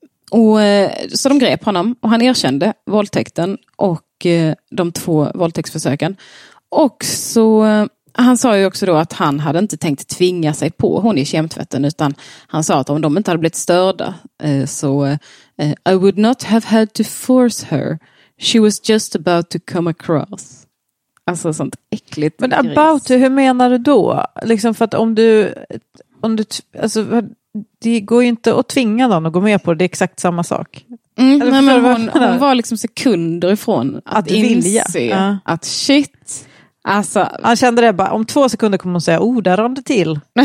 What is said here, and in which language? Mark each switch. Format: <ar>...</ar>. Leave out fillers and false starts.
<sv>Och så de grep honom och han erkände våldtäkten och de två våldtäktsförsöken. Och så han sa ju också då att han hade inte tänkt tvinga sig på hon i kemtvätten, utan han sa att om de inte hade blivit störda så</sv> <en>I would not have had to force her. She was just about to come across.</en> <sv>Alltså sånt äckligt. Men about gris. Hur menar du då? Liksom för att om du alltså, det går ju inte att tvinga dem att gå med på det. Det är exakt samma sak. Nej, men hon var liksom sekunder ifrån att inse vilja. Att shit. Alltså. Han kände det bara, om två sekunder kommer hon säga, oh, där rann det till.</sv>